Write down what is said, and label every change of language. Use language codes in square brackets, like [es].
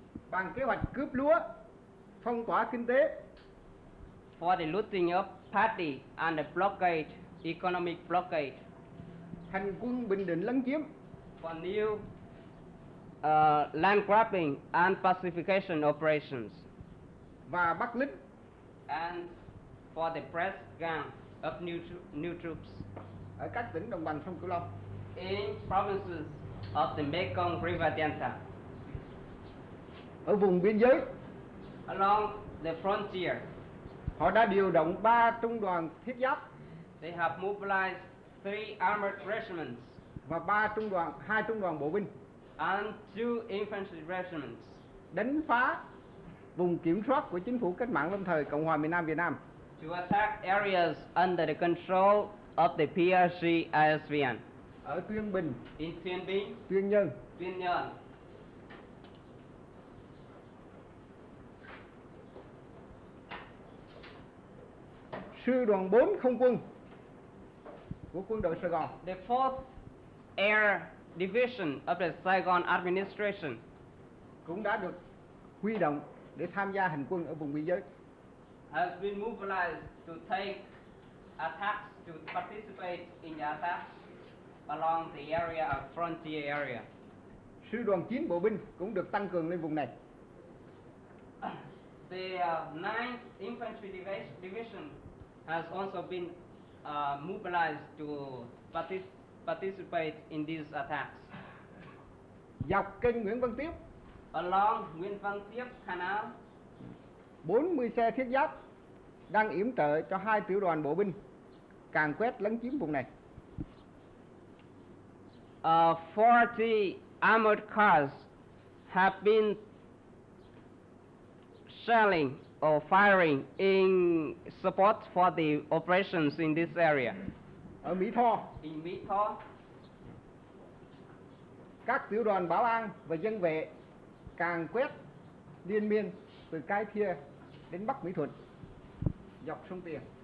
[vi] Bàn kế hoạch cướp lúa, phong tỏa kinh tế [en] for the looting of party and the blockade, economic blockade. [vi] Hành quân Bình Định lấn chiếm. [en] For new land grabbing and pacification operations. [vi] Và bắt lính. [en] And for the press gang of new troops. [vi] Ở các tỉnh đồng bằng sông Cửu Long. [en] In provinces of the Mekong River Delta. [vi] Ở vùng biên giới. [en] Along the frontier. [vi] Họ đã điều động 3 trung đoàn thiết giáp. [en] They have mobilized 3 armored regiments. [vi] Và 3 trung đoàn, 2 trung đoàn bộ binh. [en] And 2 infantry regiments. [vi] Đánh phá vùng kiểm soát của chính phủ cách mạng lâm thời Cộng hòa miền Nam Việt Nam. [en] To attack areas under the control of the PRC ISVN. [vi] Ở Tuyên Bình. [en] In Tuyên Bình. [vi] Tuyên Nhân. [en] Tuyên Nhân. [vi] Sư đoàn 4 không quân của quân đội Sài Gòn. [en] The 4th Air Division of the Saigon Administration [vi] cũng đã được huy động để tham gia hành quân ở vùng biên giới. [en] Has been mobilized to take attacks, to participate in the attacks along the area of frontier area. [vi] Sư đoàn 9 bộ binh cũng được tăng cường lên vùng này. [en] The 9th Infantry Division has also been mobilized to participate in these attacks. [vi] Dọc kênh Nguyễn Văn Tiếp. [en] Along Nguyễn Văn Tiếp Canal. [vi] 40 xe thiết giáp đang yểm trợ cho 2 tiểu đoàn bộ binh càn quét lấn chiếm vùng này. [en] 40 armored cars have been shelling or firing in support for the operations in this area. [vi] Ở Mỹ Tho. [en] In Mỹ Tho. [vi] Các tiểu đoàn bảo an và dân vệ càn quét liên miên từ Cái Thia đến Bắc Mỹ Thuận dọc sông Tiền.